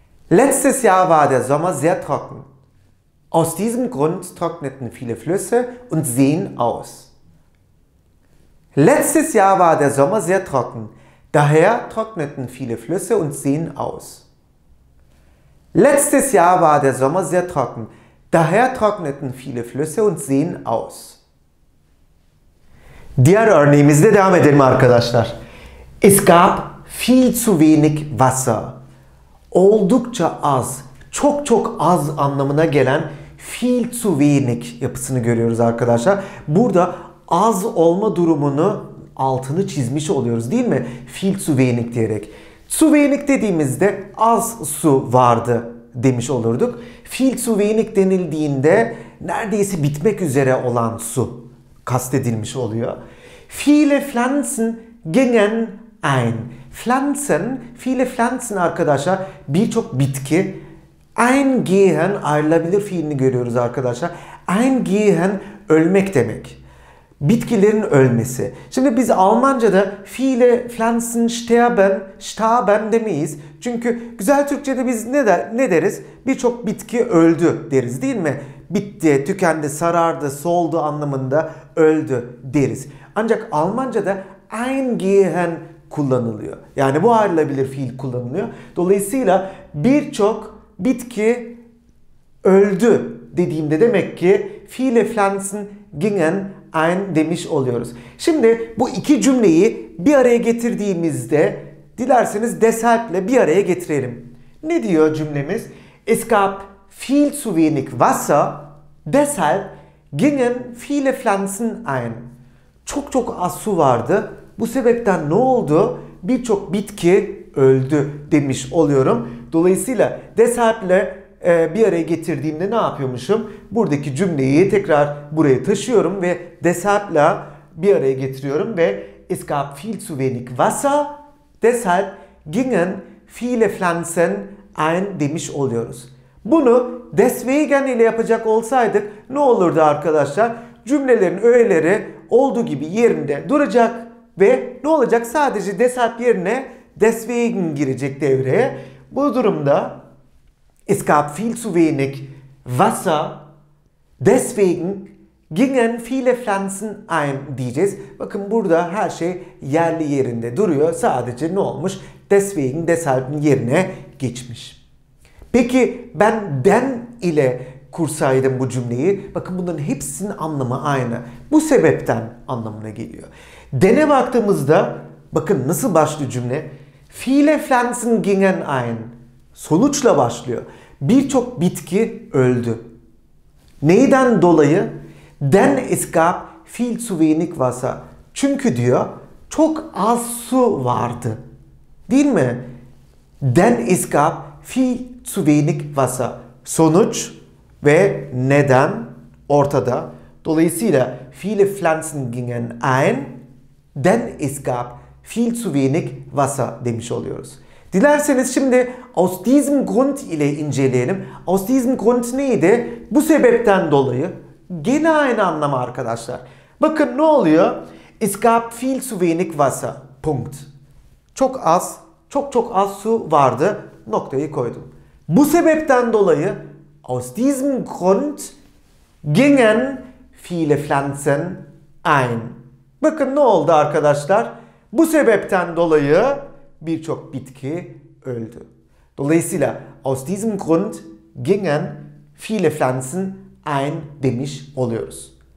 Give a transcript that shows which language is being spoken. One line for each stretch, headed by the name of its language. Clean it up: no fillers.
German: Letztes Jahr war der Sommer sehr trocken. Aus diesem Grund trockneten viele Flüsse und Seen aus. Letztes Jahr war der Sommer sehr trocken. Daher trockneten viele Flüsse und Seen aus. Letztes Jahr war der Sommer sehr trocken. Daher trockneten viele Flüsse und Seen aus.
Turkish: Diğer örneğimizde devam edelim arkadaşlar.
German: Es gab viel zu wenig Wasser.
Turkish: Oldukça az, çok çok az anlamına gelen
German: viel zu wenig
Turkish: yapısını görüyoruz arkadaşlar. Burada az olma durumunu altını çizmiş oluyoruz değil mi?
German: Viel zu wenig
Turkish: diyerek.
German: Zu wenig
Turkish: dediğimizde az su vardı demiş olurduk.
German: Viel zu wenig
Turkish: denildiğinde neredeyse bitmek üzere olan su kastedilmiş oluyor.
German: Viele Pflanzen gingen ein. Pflanzen, viele Pflanzen
Turkish: arkadaşlar birçok bitki.
German: Ein gehen
Turkish: ayrılabilir fiilini görüyoruz arkadaşlar. Ein gehen ölmek demek. bitkilerin ölmesi. Şimdi biz Almanca'da
German: viele Pflanzen sterben, starben
Turkish: demeyiz. Çünkü güzel Türkçe'de biz ne deriz? Birçok bitki öldü deriz, değil mi? Bitti, tükendi, sarardı, soldu anlamında öldü deriz. Ancak Almanca'da eingehen kullanılıyor. Yani bu ayrılabilir fiil kullanılıyor. Dolayısıyla birçok bitki öldü dediğimde demek ki
German: viele Pflanzen gingen ein
Turkish: demiş oluyoruz. Şimdi bu iki cümleyi bir araya getirdiğimizde dilerseniz deshalb'le bir araya getirelim. Ne diyor cümlemiz?
German: Es gab viel zu wenig Wasser, deshalb gingen viele Pflanzen ein.
Turkish: Çok çok az su vardı. Bu sebepten ne oldu? Birçok bitki öldü demiş oluyorum. Dolayısıyla deshalb'le bir araya getirdiğimde ne yapıyormuşum? Buradaki cümleyi tekrar buraya taşıyorum ve deshalb'la bir araya getiriyorum ve
German: es gab viel zu wenig Wasser, deshalb gingen viele Pflanzen ein
Turkish: demiş oluyoruz. Bunu deswegen ile yapacak olsaydık ne olurdu arkadaşlar? Cümlelerin öğeleri olduğu gibi yerinde duracak ve ne olacak? Sadece deshalb yerine deswegen girecek devreye. Bu durumda
German: es gab viel zu wenig Wasser, deswegen gingen viele Pflanzen ein
Turkish: diyeceğiz. Bakın burada her şey yerli yerinde duruyor. Sadece ne olmuş? Deswegen, deshalb'in yerine geçmiş. Peki ben den ile kursaydım bu cümleyi. Bakın bunların hepsinin anlamı aynı. Bu sebepten anlamına geliyor. Den'e baktığımızda bakın nasıl başlıyor cümle?
German: Viele Pflanzen gingen ein.
Turkish: Sonuçla başlıyor. Birçok bitki öldü. Neyden dolayı?
German: Den es gab viel zu wenig Wasser.
Turkish: Çünkü diyor çok az su vardı. Değil mi?
German: Den es gab viel zu wenig Wasser.
Turkish: Sonuç ve neden ortada. Dolayısıyla
German: viele Pflanzen gingen ein. Den es gab viel zu wenig Wasser
Turkish: demiş oluyoruz. Dilerseniz şimdi
German: aus diesem Grund
Turkish: ile inceleyelim.
German: Aus diesem Grund
Turkish: neydi? Bu sebepten dolayı. Gene aynı anlamı arkadaşlar. Bakın ne oluyor?
German: Es gab viel zu wenig Wasser. Punkt.
Turkish: Çok az, çok çok az su vardı. Noktayı koydum. Bu sebepten dolayı
German: aus diesem Grund gingen viele Pflanzen ein.
Turkish: Bakın ne oldu arkadaşlar? Bu sebepten dolayı birçok bitki öldü. Dolayısıyla
German: aus diesem Grund gingen viele Pflanzen ein
Turkish: demiş oluyoruz.